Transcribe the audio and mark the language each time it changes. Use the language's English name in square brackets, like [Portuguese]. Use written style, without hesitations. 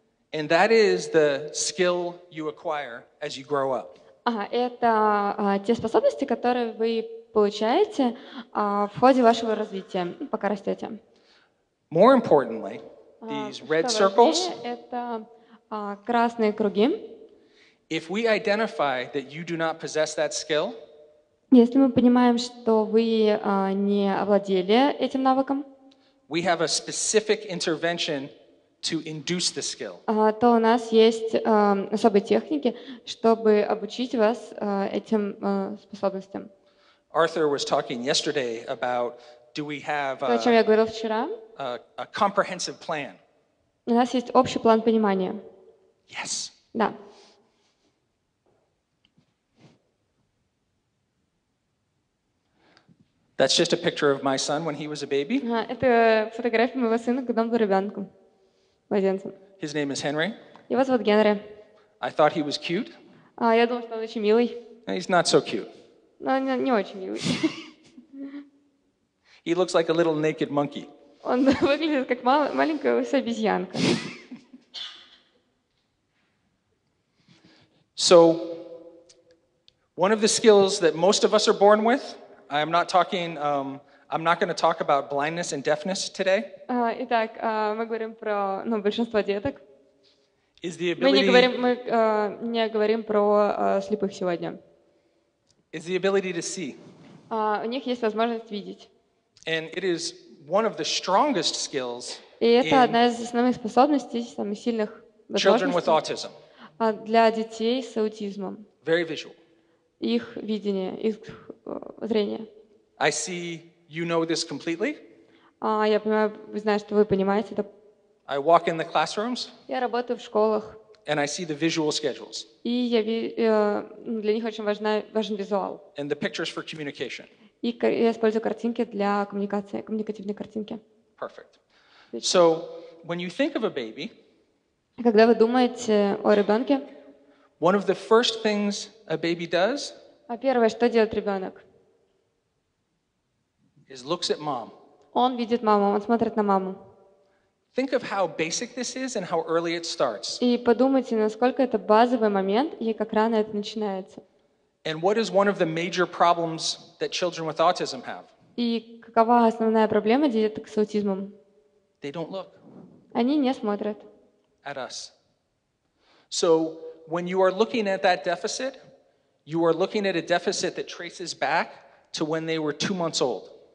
[English] And that is the skill you acquire as you grow up. [Russian] Это те способности, которые вы получаете в ходе вашего развития, пока растете. [English] More importantly, these red circles. [Russian] Это красные круги. [English] If we identify that you do not possess that skill. [Russian] Если мы понимаем, что вы не овладели этим навыком. [English] We have a specific intervention. To induce the skill. [Russian] То у нас есть особые техники, чтобы обучить вас этим способностям. [English] Arthur was talking yesterday about, do we have [Russian] о чем я говорил вчера? [English] A comprehensive plan. [Russian] У нас есть общий план понимания. [English] Yes. [Russian] Да. [English] That's just a picture of my son when he was a baby. [Russian] Это фотография моего сына, когда он был ребенком. [English] His name is Henry. [Russian] Его зовут Генри. [English] I thought he was cute. [Russian] Я думал, что он очень милый. [English] He's not so cute. [Russian] Но он не очень милый. [English] He looks like a little naked monkey. [Russian] Он выглядит как маленькая лысая обезьянка. [English] So, one of the skills that most of us are born with, I am not talking. I'm not going to talk about blindness and deafness today. [Russian] Итак, мы говорим про, ну, большинство деток. [English] Is the ability... [Russian] Мы не говорим про слепых сегодня. [English] Is the ability to see. [Russian] У них есть возможность видеть. [English] And it is one of the strongest skills. [Russian] И это одна из основных способностей, самых сильных возможностей. [English] Children with autism. [Russian] Для детей с аутизмом. [English] Very visual. [Russian] Их видение, их зрение. [English] I see. You know this completely? [Russian] Я понимаю, вы знаете, что вы понимаете это. [English] I walk in the classrooms. [Russian] Я работаю в школах. [English] And I see the visual schedules. [Russian] И я для них очень важен визуал. [English] And the pictures for communication. [Russian] И я использую картинки для коммуникации, коммуникативные картинки. [English] Perfect. So, when you think of a baby, [Russian] когда вы думаете о ребенке, [English] one of the first things a baby does, [Russian] а первое, что делает ребенок? [English] Is looks at mom. [Russian] Он видит маму, он смотрит на маму. [English] Think of how basic this is and how early it starts. [Russian] И подумайте, насколько это базовый момент и как рано это начинается. [English] And what is one of the major problems that children with autism have? [Russian] И какова основная проблема деток с аутизмом? [English] They don't look. [Russian] Они не смотрят. [English] At us. So when you are looking at that deficit, you are looking at a deficit that traces back to when they were 2 months old.